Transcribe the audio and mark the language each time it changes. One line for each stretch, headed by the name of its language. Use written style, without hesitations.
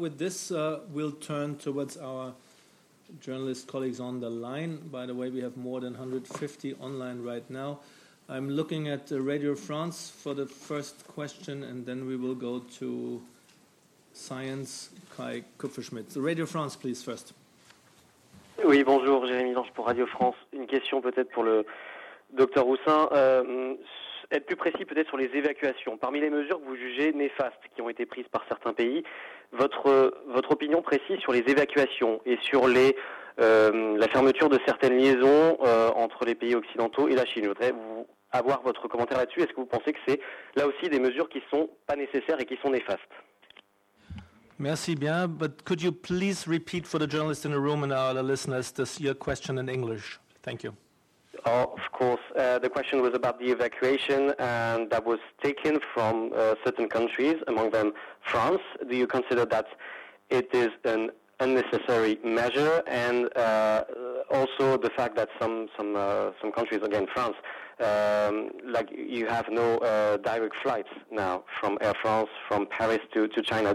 English: With this, we'll turn towards our journalist colleagues on the line. By the way, we have more than 150 online right now. I'm looking at Radio France for the first question, and then we will go to Science, Kai Kupferschmidt. Radio France, please, first.
French: Oui, bonjour, Jérémy Lange pour Radio France. Une question peut-être pour le Dr Hussain. Être plus précis peut-être sur les évacuations. Parmi les mesures que vous jugez néfastes qui ont été prises par certains pays, votre opinion précise sur les évacuations et sur la fermeture de certaines liaisons entre les pays occidentaux et la Chine. Je voudrais avoir votre commentaire là-dessus. Est-ce que vous pensez que c'est là aussi des mesures qui ne sont pas nécessaires et qui sont néfastes? Merci bien,
English: but could you please repeat for the journalists in the room and our listeners your question in English? Thank you. Of course, the question was about the evacuation, and that was taken from certain countries, among them France. Do you consider that it is an unnecessary measure, and also the fact that some countries, again France, like you have no direct flights now from Air France from Paris to China.